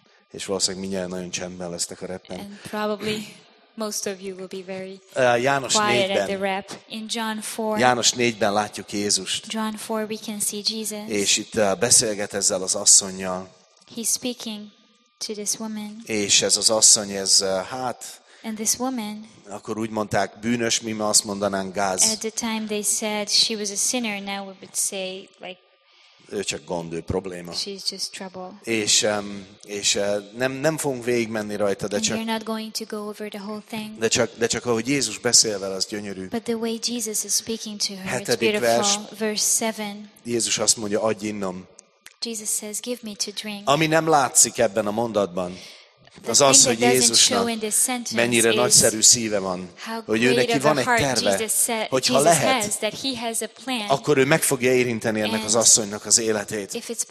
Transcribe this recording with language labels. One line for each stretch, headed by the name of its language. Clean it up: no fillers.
Hungarian: És valószínűleg mindjárt nagyon csendben lesztek a rappen.
English: And probably most of you will be very
Hungarian: János
English: quiet at the rap. In John 4,
Hungarian: János 4-ben látjuk Jézust.
English: John 4 we can see Jesus.
Hungarian: És itt beszélget ezzel az asszonnyal.
English: He's speaking to this woman.
Hungarian: És ez az asszony, ez hát...
English: And this woman,
Hungarian: akkor úgy mondták, bűnös, mi ma azt mondanánk, gáz.
English: At the time they said she was a sinner, now we would say like,
Hungarian: ő csak gond, ő probléma.
English: She's just trouble.
Hungarian: És nem fogunk végigmenni rajta, de csak.
English: You're not going to go over the whole thing.
Hungarian: De csak ahogy Jézus beszél vele, az gyönyörű.
English: But the way Jesus is speaking to her, it's beautiful.
Hungarian: Vers,
English: verse 7.
Hungarian: Jézus azt mondja, adj innom.
English: Jesus says, give me to drink.
Hungarian: Ami nem látszik ebben a mondatban.
English: The
Hungarian: az az, hogy Jézusnak mennyire nagyszerű szíve van, hogy ő neki van egy terve, hogyha lehet, akkor ő meg fogja érinteni ennek az asszonynak az életét.